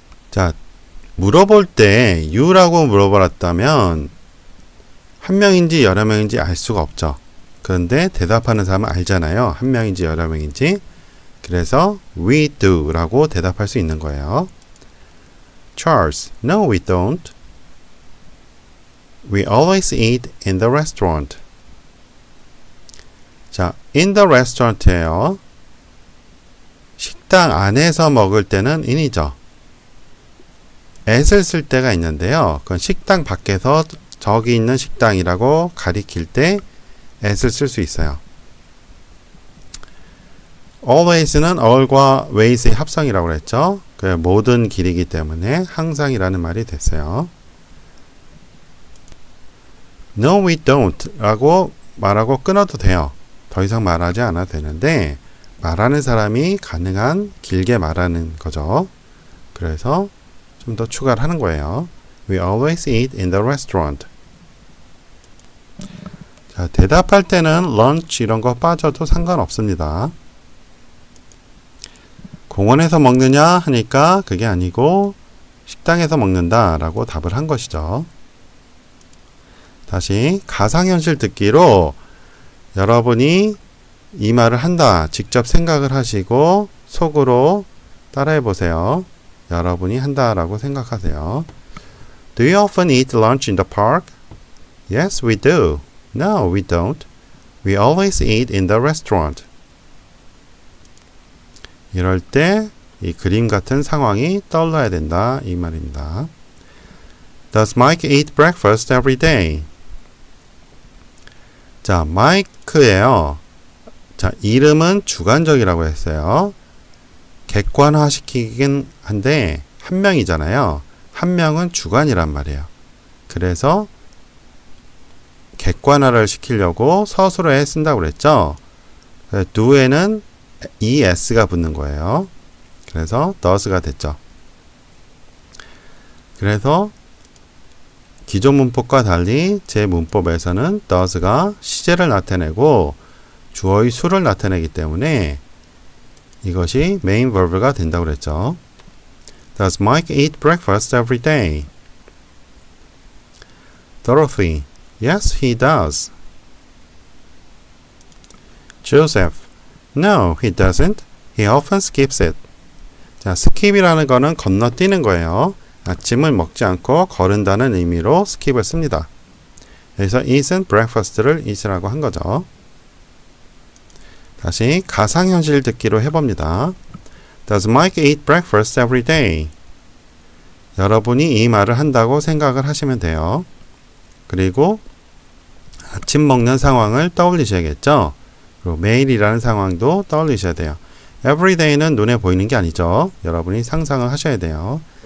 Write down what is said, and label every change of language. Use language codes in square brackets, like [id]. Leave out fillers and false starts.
[ko] 자, 물어볼 때 you라고 물어봤다면 한 명인지 여러 명인지 알 수가 없죠. 그런데 대답하는 사람은 알잖아요. 한 명인지 여러 명인지. 그래서 [en] we do [ko] 라고 대답할 수 있는 거예요. [en] Charles, no, we don't. We always eat in the restaurant. [ko] 자, [en] in the restaurant [ko] 에요. 식당 안에서 먹을 때는 in이죠. at을 쓸 때가 있는데요. 그건 식당 밖에서 저기 있는 식당이라고 가리킬 때 at을 쓸 수 있어요. always는 all과 ways의 합성이라고 그랬죠. 그 모든 길이기 때문에 항상이라는 말이 됐어요. [en] no, we don't [ko] 라고 말하고 끊어도 돼요. 더 이상 말하지 않아도 되는데 말하는 사람이 가능한 길게 말하는 거죠. 그래서 좀 더 추가를 하는 거예요. [en] We always eat in the restaurant. [ko] 자, 대답할 때는 lunch 이런 거 빠져도 상관없습니다. 공원에서 먹느냐 하니까 그게 아니고 식당에서 먹는다 라고 답을 한 것이죠. 다시 가상현실 듣기로 여러분이 이 말을 한다. 직접 생각을 하시고 속으로 따라해 보세요. 여러분이 한다라고 생각하세요. [en] Do you often eat lunch in the park? Yes, we do. No, we don't. We always eat in the restaurant. [ko] 이럴 때 이 그림 같은 상황이 떠올라야 된다. 이 말입니다. [en] Does Mike eat breakfast every day? [ko] 자, 마이크예요. 자, 이름은 주관적이라고 했어요. 객관화시키긴 한데 한 명이잖아요. 한 명은 주관이란 말이에요. 그래서 객관화를 시키려고 서술어에 쓴다고 그랬죠. do에는 es가 붙는 거예요. 그래서 does가 됐죠. 그래서 기존 문법과 달리 제 문법에서는 does가 시제를 나타내고 주어의 수를 나타내기 때문에 이것이 main verb가 된다고 그랬죠. [en] Does Mike eat breakfast every day? Dorothy, yes, he does. Joseph, no, he doesn't. He often skips it. [ko] 자, skip이라는 거는 건너뛰는 거예요. 아침을 먹지 않고 거른다는 의미로 skip을 씁니다. 여기서 eat은 breakfast를 eat이라고 한 거죠. 다시 가상현실 듣기로 해봅니다. Does Mike eat breakfast every day? 여러분이 이 말을 한다고 생각을 하시면 돼요. 그리고 아침 먹는 상황을 떠올리셔야겠죠. 그리고 매일이라는 상황도 떠올리셔야 돼요. [en] Every day [ko] 는 눈에 보이는 게 아니죠. 여러분이 상상을 하셔야 돼요.